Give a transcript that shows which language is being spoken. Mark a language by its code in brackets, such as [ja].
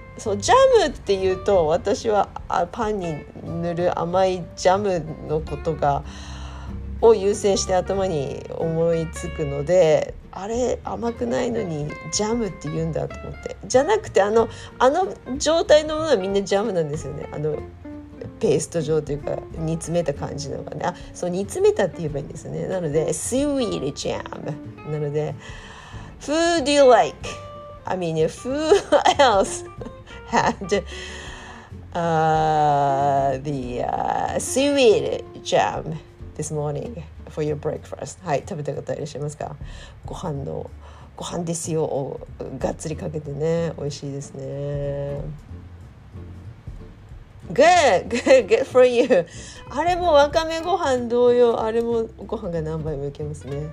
[ja] そう、ジャムっていうと私はパンに塗る甘いジャムのことがを優先して頭に思いつくので、あれ甘くないのにジャムって言うんだと思って、じゃなくてあの状態のものはみんなジャムなんですよね、あのペースト状というか煮詰めた感じのがね、あ、そう、煮詰めたって言えばいいんですね。なのでスイートジャム、なので [en] Who do you like? I mean, who else had the seaweed jam this morning for your breakfast? [ja] はい、食べたかったらいらっしゃいますか？ご飯の、ご飯ですよ、がっつりかけてね、美味しいですね。 [en] Good for you. [ja] あれもわかめご飯同様、あれもご飯が何杯もいけますね。